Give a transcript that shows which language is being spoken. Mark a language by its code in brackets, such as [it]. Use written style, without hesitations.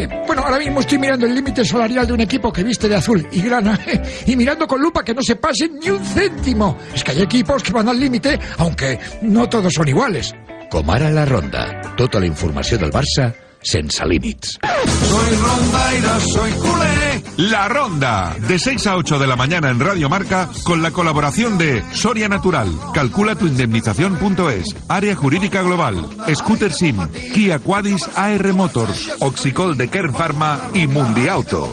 [es] Bueno, ahora mismo estoy mirando el límite salarial de un equipo que viste de azul y grana, y mirando con lupa que no se pase ni un céntimo. Es que hay equipos que van al límite, aunque no todos son iguales. [ca] Com ara la Ronda. Tota la informació del Barça sense límits. [es] Soy Ronda y no soy culé. La Ronda, de 6 a 8 de la mañana en Radio Marca, con la colaboración de Soria Natural, calculatuindemnización.es, Área Jurídica Global, Scooter Sim, Kia Quadis AR Motors, Oxicol de Kern Pharma y Mundiauto.